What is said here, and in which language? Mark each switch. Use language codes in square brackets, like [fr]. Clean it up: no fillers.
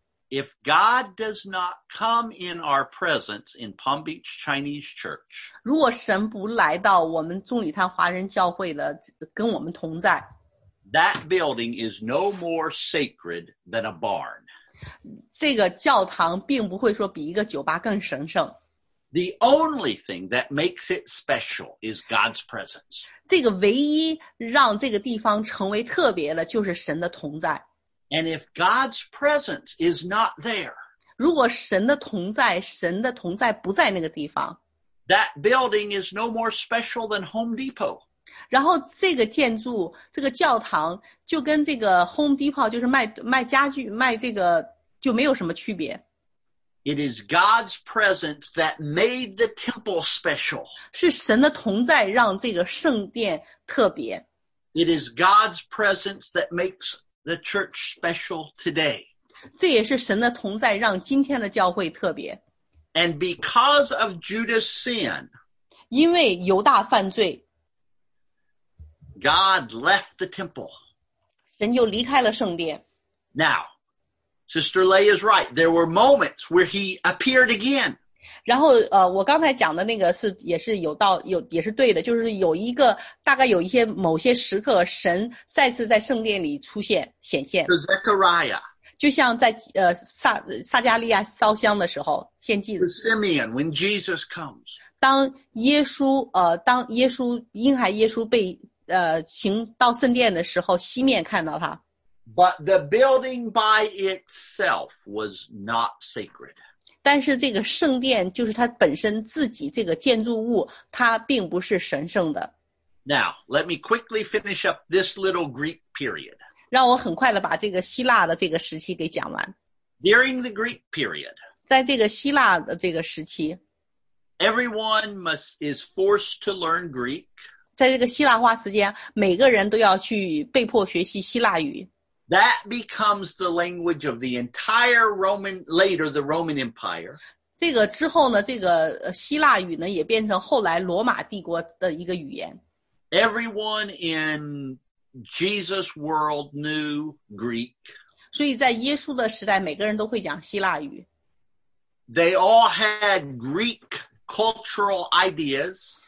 [en] If God does not come in our presence in Palm Beach Chinese Church, [zh] 如果神不来到我们棕榈滩华人教会了，跟我们同在。 [en] That building is no more sacred than a barn. [zh] 这个教堂并不会说比一个酒吧更神圣。 [en] The only thing that makes it special is God's presence. [zh] 这个唯一让这个地方成为特别的就是神的同在。 [en] And if God's presence is not there, [zh] 如果神的同在，神的同在不在那个地方， [en] that building is no more special than Home Depot. [zh] 然后这个建筑，这个教堂就跟这个 Home Depot 就是卖家具，卖这个就没有什么区别。 [en] It is God's presence that made the temple special. [zh] 是神的同在让这个圣殿特别。 [en] It is God's presence that makes the church special today. [zh] 这也是神的同在让今天的教会特别。 [en] And because of Judas' sin, [zh] 因为犹大犯罪， [en] God left the temple. [zh] 神就离开了圣殿。 [en] Now, Sister Lay is right. There were moments where he appeared again. [zh] 然后我刚才讲的那个是也是有道有也是对的，就是有一个大概有一些某些时刻神再次在圣殿里出现显现。 [en] Zechariah, [zh] 就像在撒加利亚烧香的时候献祭的。 [en] Simeon, when Jesus comes. [zh] 当耶稣婴孩耶稣被行到圣殿的时候西面看到他。 [en] But the building by itself was not sacred. [zh] 但是这个圣殿就是它本身自己这个建筑物它并不是神圣的。 [en] Now, let me quickly finish up this little Greek period. [zh] 让我很快的把这个希腊的这个时期给讲完。 [en] During the Greek period, [zh] 在这个希腊的这个时期 [en] everyone is forced to learn Greek. [zh] 在这个希腊化时间每个人都要去被迫学习希腊语。 [en] That becomes the language of the entire Roman, later the Roman Empire. [zh] 这个之后呢，这个希腊语呢，也变成后来罗马帝国的一个语言。 [en] Everyone in Jesus' world knew Greek. [zh] 所以在耶稣的时代，每个人都会讲希腊语。 [en] They all had Greek cultural ideas.